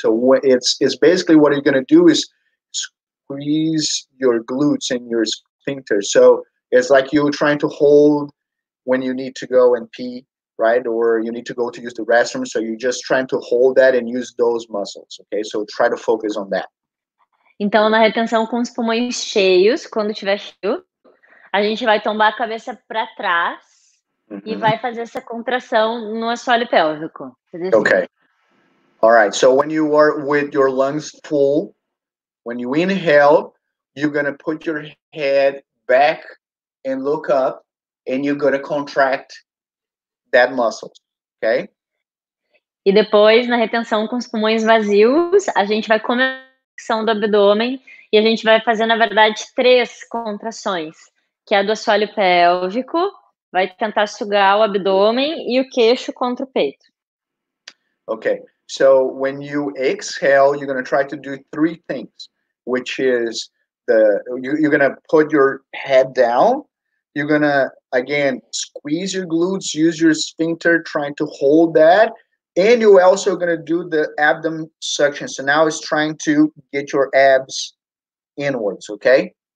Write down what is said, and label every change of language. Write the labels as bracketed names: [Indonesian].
[English] So it's basically what you're going to do is squeeze your glutes and your sphincter. So it's like you're trying to hold when you need to go and pee, right? Or you need to go to use the restroom. So you're just trying to hold that and use those muscles, okay? So try to focus on that. [Portuguese] Então, na retenção com os pulmões cheios, quando tiver cheio, a gente vai tombar a cabeça para trás, uh-huh, e vai fazer essa contração no assoalho pélvico. [English] Okay. All right. So when you are with your lungs full, when you inhale, you're going to put your head back and look up, and you're going to contract that muscle. Okay? [Portuguese] E depois, na retenção com os pulmões vazios, a gente vai começar do abdômen, e a gente vai fazer, na verdade, 3 contrações, que é a do assoalho pélvico, vai tentar sugar o abdômen e o queixo contra o peito. [English] Okay, so when you exhale, you're going to try to do 3 things, which is you're going to put your head down, you're going to, again, squeeze your glutes, use your sphincter, trying to hold that. And you're also going to do the abdomen suction. So now it's trying to get your abs inwards, okay?